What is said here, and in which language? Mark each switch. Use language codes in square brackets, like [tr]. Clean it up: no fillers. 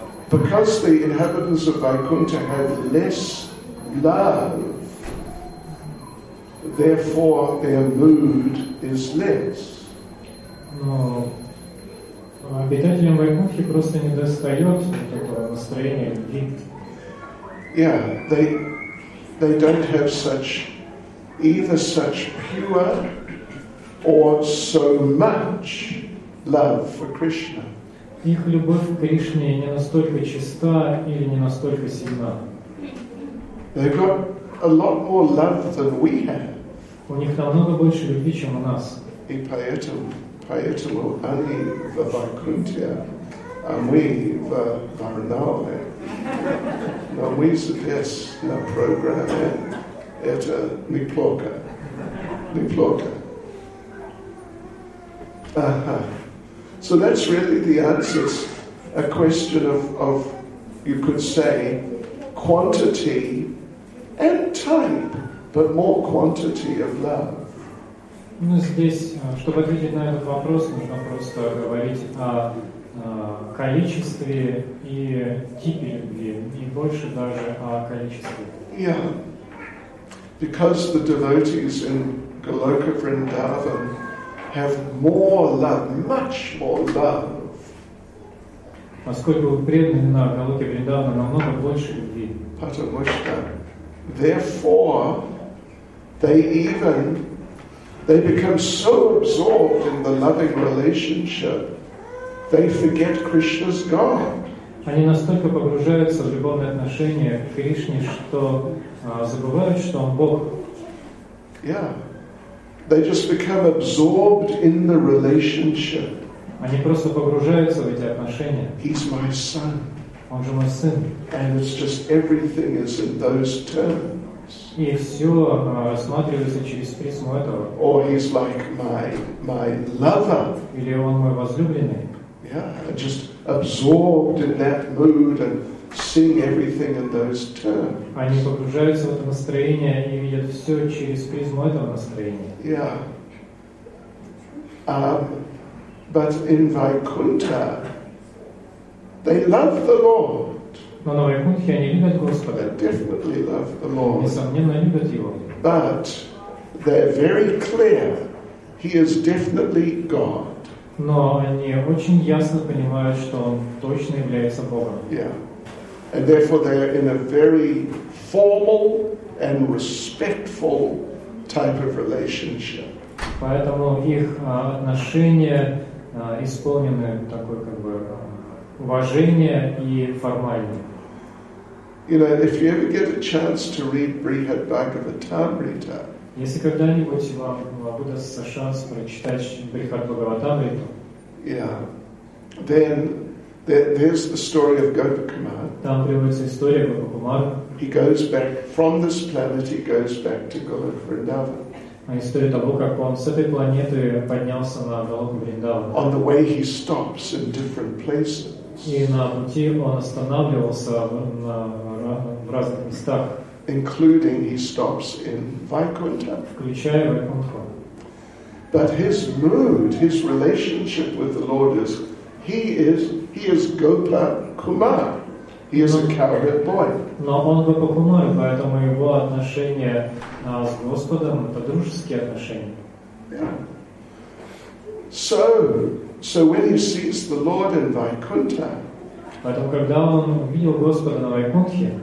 [en] Because the inhabitants of Vaikuntha have less love, therefore their mood is less. [ru] Но обитателям Вайкунтхи просто не достает такого настроения любви. [en] Yeah, they don't have such pure or so much love for Krishna. [ru] Их любовь к Кришне не настолько чиста или не настолько сильна. [en] They've got a lot more love than we have. [ru] У них намного больше любви, чем у нас. И поэтому они в Вайкунтхе, а мы в Варнаваре. Но мы здесь на программе. Это неплохо. Неплохо. [en] So that's really the answer. It's a question of, you could say, quantity and type, but more quantity of love. [ru] Ну, здесь, чтобы ответить на этот вопрос, нужно просто говорить о количестве и типе любви, и больше даже о количестве. [en] Yeah. Because the devotees in Goloka Vrindavan have more love, much more love. [ru] Поскольку преданные на Голоке Вриндаване намного больше любви. Потому что, [en] therefore, they become so absorbed in the loving relationship, they forget Krishna's God. [ru] Они настолько погружаются в любовные отношения к Кришне, что забывают, что он Бог. [en] Yeah. They just become absorbed in the relationship. [ru] Они просто погружаются в эти отношения. [en] He's my son. [ru] Он же мой сын. [en] And it's just everything is in those terms. [ru] И все рассматривается через призму этого. [en] Or he's like my lover. [ru] Или он мой возлюбленный. [en] Yeah, just absorbed in that mood and seeing everything in those terms. [ru] Они погружаются в это настроение и видят все через призму этого настроения. [en] Yeah. But in Vaikuntha, they love the Lord. [ru] Но на Вайкунтхе они любят Господа. [en] They definitely love the Lord. [ru] Несомненно, любят Его. [en] But they're very clear. He is definitely God. [ru] Но они очень ясно понимают, что он точно является Богом. [en] Yeah. And therefore they are in a very formal and respectful type of relationship. [ru] Поэтому их отношения исполнены такой как бы уважения и формальны. [en] You know, if you ever get a chance to read Brihad Bhagavatamrita. [ru] Если когда-нибудь вам выдастся шанс прочитать Брихад Бхагаватамриту. [en] Yeah. Then there's the story of Gopakumar. [ru] Там приводится история Гопакумара. [en] He goes back from this planet. He goes back to Golok Vrindavan. [ru] А история того, как он с этой планеты поднялся на Голоку Вриндаван. [en] On the way he stops in different places. [ru] И на пути он останавливался в разных местах. [en] Including he stops in Vaikuntha. [ru] Включая Вайкунтху. [en] But his mood, his relationship with the Lord is, he is Gopa Kumar. He is a cowherd boy. [ru] Но он Гопа Кумар, поэтому его отношения с Господом — это дружеские отношения. [en] So when he sees the Lord in Vaikuntha, [ru] поэтому когда он увидел Господа на Вайкунтхе,